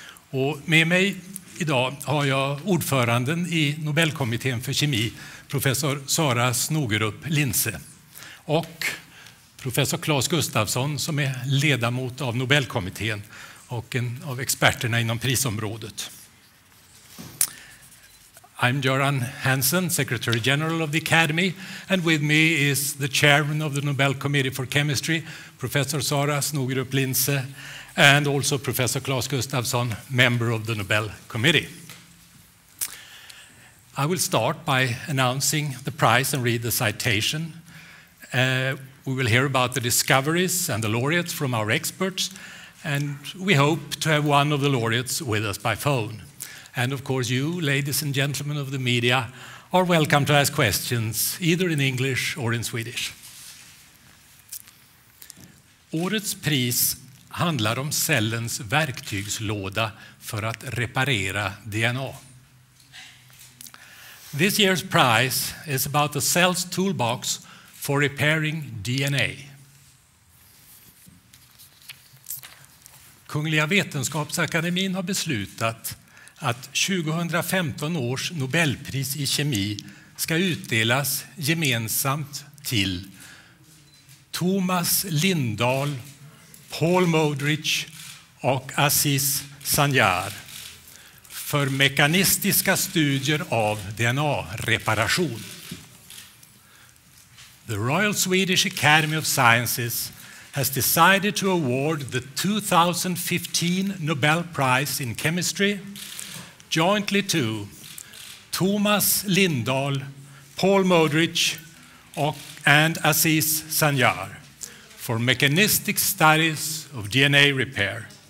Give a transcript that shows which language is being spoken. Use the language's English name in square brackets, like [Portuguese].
[Swedish] Och med mig idag har jag ordföranden i Nobelkommittén för kemi, professor Sara Snogerup Linse, och professor Claes Gustafsson som är ledamot av Nobelkommittén och en av experterna inom prisområdet. [English] I'm Göran Hansson, Secretary General of the Academy, and with me is the Chairman of the Nobel Committee for Chemistry, Professor Sara Snogerup Linse, and also Professor Claes Gustafsson, Member of the Nobel Committee. I will start by announcing the prize and read the citation. We will hear about the discoveries and the laureates from our experts, and we hope to have one of the laureates with us by phone. And of course, you, ladies and gentlemen of the media, are welcome to ask questions, either in English or in Swedish. [Swedish] Årets pris handlar om cellens verktygslåda för att reparera DNA. [English] This year's prize is about the cell's toolbox for repairing DNA. [Swedish] Kungliga Vetenskapsakademin har beslutat att 2015 års Nobelpris i kemi ska utdelas gemensamt till Tomas Lindahl, Paul Modrich och Aziz Sancar för mekanistiska studier av DNA-reparation. [English] The Royal Swedish Academy of Sciences has decided to award the 2015 Nobel Prize in Chemistry jointly to Tomas Lindahl, Paul Modrich and Aziz Sancar for mechanistic studies of DNA repair.